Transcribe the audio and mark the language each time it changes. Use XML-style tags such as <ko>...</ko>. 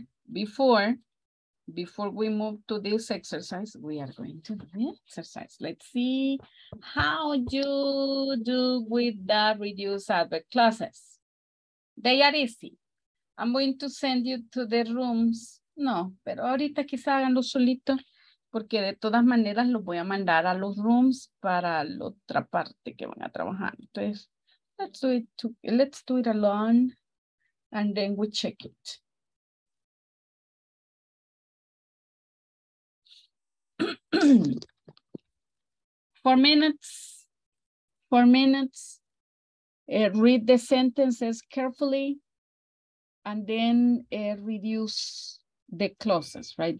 <en>Before we move to this exercise, we are going to do the exercise. Let's see how you do with the reduced adverb classes. They are easy. I'm going to send you to the rooms.</en> <es>No, pero ahorita quizá háganlo solito, porque de todas maneras los voy a mandar a los rooms para la otra parte que van a trabajar. Entonces,</es> <en>let's do it alone, and then we check it. Four minutes. 4 minutes, read the sentences carefully, and then reduce the clauses, right?</en>